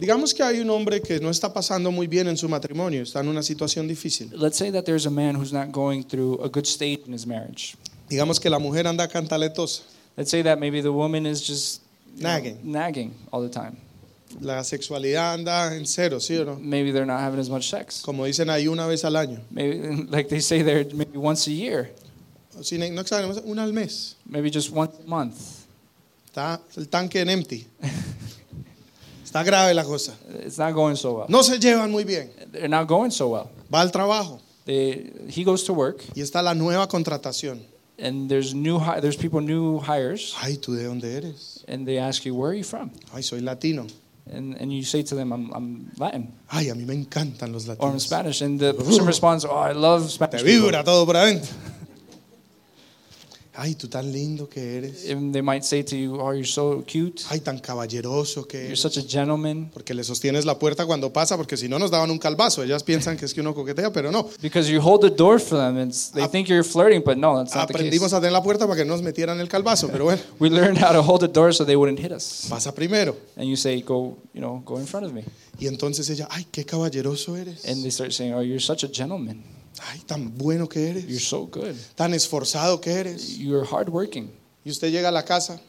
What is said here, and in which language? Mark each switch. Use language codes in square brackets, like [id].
[es] Digamos que hay un hombre que no está pasando muy bien en su matrimonio, está en una situación difícil. [en] Let's say that there's a man who's not going through a good state in his marriage. [es] Digamos que la mujer anda cantaletosa. [en] Let's say that maybe the woman is just nagging. You know, nagging all the time. [es] La sexualidad anda en cero, ¿sí o no? [en] Maybe they're not having as much sex. [es] Como dicen ahí una vez al año. [en] Maybe, like they say there, maybe once a year. [es] Si no exageramos, una al mes. [en] Maybe just once a month. [es] Está el tanque en empty. Está grave la cosa. [en] It's not going so well. [es] No se llevan muy bien. [en] They're not going so well. [es] Va al trabajo. [en] He goes to work. [es] Y está la nueva contratación. [en] And there's people, new hires. [es] Ay, ¿tú de dónde eres? [en] And they ask you, where are you from? [es] Ay, soy latino. [en] And you say to them, I'm Latin. [es] Ay, a mí me encantan los latinos. [en] Or I'm Spanish. And the person responds, oh, I love Spanish. [es] Te vibra todo por adentro. Ay, tú tan lindo que eres. [en] And they might say to you, oh, you're so cute. [es] Ay, tan caballeroso que [en] you're [es] eres. [en] Such a gentleman. [es] Porque le sostienes la puerta cuando pasa, porque si no nos daban un calvazo. Ellas piensan que es que uno coquetea, pero no. [en] Because you hold the door for them and they think you're flirting, but no, that's not the case. [es] Aprendimos a tener la puerta para que no nos metieran el calvazo, pero bueno. [en] We learned how to hold the door so they wouldn't hit us. [es] Pasa primero. [en] And you say, go in front of me. [es] Y entonces ella, ay, qué caballeroso eres. [en] And they start saying, oh, you're such a gentleman. [es] Ay, tan bueno que eres. [en] You're so good. [es] Tan esforzado que eres. [en] You're hardworking. [es] Y usted llega a la casa.